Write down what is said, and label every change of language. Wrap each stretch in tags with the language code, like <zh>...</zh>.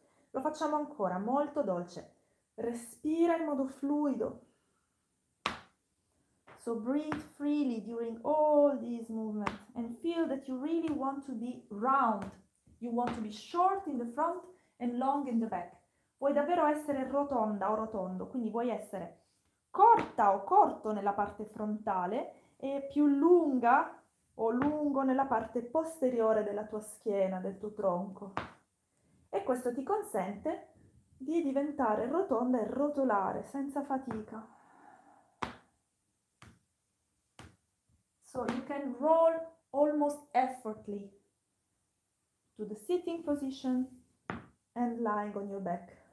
<it>Lo facciamo ancora, molto dolce. Respira in modo fluido.</it> <en>So breathe freely during all these movements and feel that you really want to be round. You want to be short in the front and long in the back.</en> <it>Vuoi davvero essere rotonda o rotondo, quindi vuoi essere corta o corto nella parte frontale e più lunga o lungo nella parte posteriore della tua schiena, del tuo tronco. E questo ti consente di diventare rotonda e rotolare senza fatica.</it> <en>So you can roll almost effortlessly to the sitting position and lying on your back.</en>